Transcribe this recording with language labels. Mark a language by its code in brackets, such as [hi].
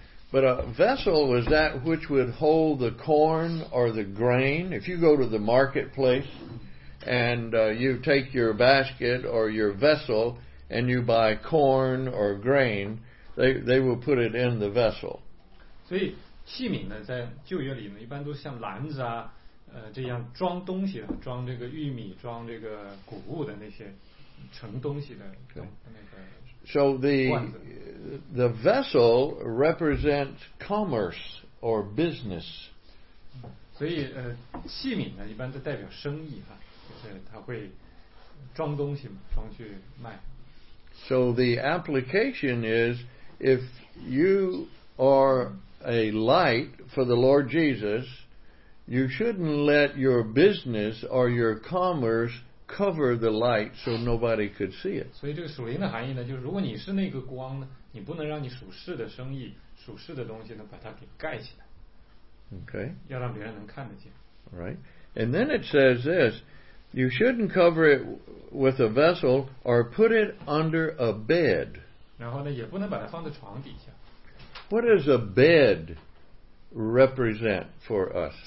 [en] But a vessel was that which would hold the corn or the grain. If you go to the marketplace, and you take your basket or your vessel and you buy corn or grain, they will put it in the vessel. [zh] 所以器皿呢，在旧约里呢，一般都像篮子啊，这样装东西的，装这个玉米，装这个谷物的那些盛东西的那个罐子。 [en] So the vessel represents commerce or business. [zh] 所以器皿呢，一般都代表生意哈。他会装东西嘛，装去卖。 [en] So the application is, if you are a light for the Lord Jesus, you shouldn't let your business or your commerce cover the light so nobody could see it. [zh] 所以这个属灵的含义呢，就是如果你是那个光呢，你不能让你属世的生意、属世的东西呢，把它给盖起来。 [en] Okay. [zh] 要让别人能看得见。 [en] Right. And then it says this. You shouldn't cover it with a vessel or put it under a bed. [zh] 然后呢，也不能把它放在床底下。 [en] What does a bed represent for us?